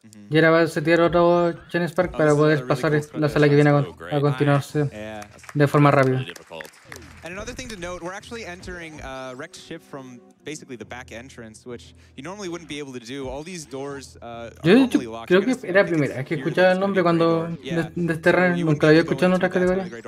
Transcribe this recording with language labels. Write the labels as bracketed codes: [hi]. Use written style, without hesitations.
[es] Y ahora va a setear otro Chain Spark para poder pasar la sala que viene a continuarse de forma rápida. [en] And another thing to note, we're actually entering a wrecked ship from basically the back entrance, which you normally wouldn't be able to do. All these doors are normally locked. [es] Yo creo que era primera, es que escuchaba el nombre cuando de este run, nunca lo había escuchado en otra categoría.